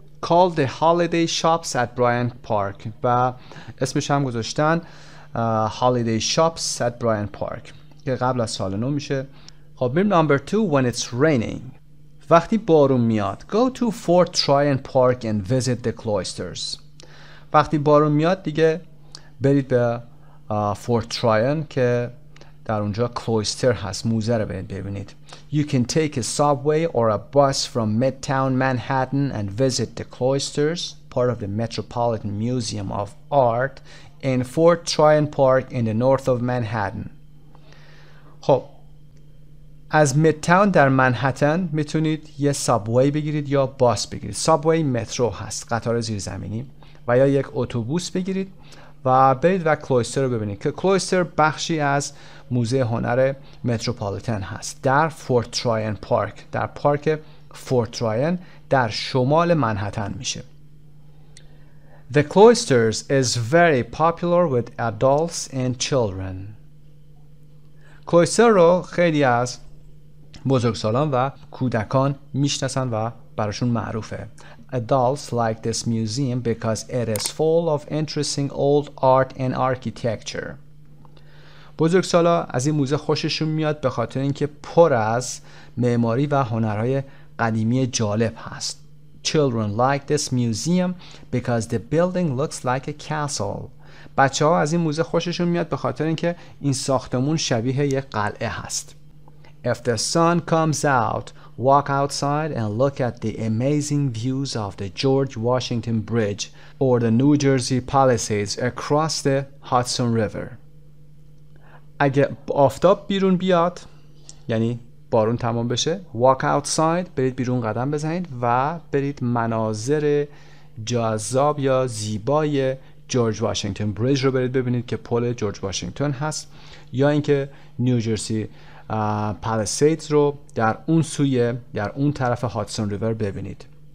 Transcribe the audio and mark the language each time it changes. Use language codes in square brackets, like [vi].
[en] Called the Holiday Shops at Bryant Park [fa] و اسمش هم گذاشتن Holiday Shops at Bryant Park که قبل از سال نو میشه. خب میریم نمبر 2. [en] When it's raining. [fa] وقتی بارون میاد، [en] go to Fort Tryon Park and visit the cloisters. [fa] وقتی بارون میاد دیگه برید به Fort Tryon که در اونجا کلویستر هست، موزه رو ببینید. [en] You can take a subway or a bus from Midtown Manhattan and visit the cloisters, part of the Metropolitan Museum of Art in Fort Tryon Park in the north of Manhattan. [fa] خب از میدتاون در منهتن میتونید یه سابوی بگیرید یا باس بگیرید. سابوی مترو هست، قطار زیرزمینی، و یا یک اتوبوس بگیرید و برید و کلویستر رو ببینید که کلویستر بخشی از موزه هنر متروپولیتن هست در فورت تراین پارک، در پارک فورت تراین در شمال منهتن میشه. [en] The cloisters is very popular with adults and children. [fa] کلویستر رو خیلی از بزرگسالان و کودکان میشناسن و براشون معروفه. [en] Adults like this museum because it is full of interesting old art and architecture. [fa] بزرگسالا از این موزه خوششون میاد به خاطر اینکه پر از معماری و هنرهای قدیمی جالب هست. [en] Children like this museum because the building looks like a castle. [fa] بچه‌ها از این موزه خوششون میاد به خاطر اینکه این ساختمون شبیه یه قلعه هست. [en] If the sun comes out, walk outside and look at the amazing views of the George Washington Bridge or the New Jersey Palisades across the Hudson River. [fa] اگه آفتاب بیرون بیاد، یعنی بارون تمام بشه، [en] walk outside، [fa] برید بیرون قدم بزنید و برید مناظر جذاب یا زیبای جورج واشنگتن بریج رو برید ببینید که پل جورج واشنگتن هست، یا اینکه نیوجرسی پالیسیدز رو در اون سوی، در اون طرف هادسون ریور ببینید.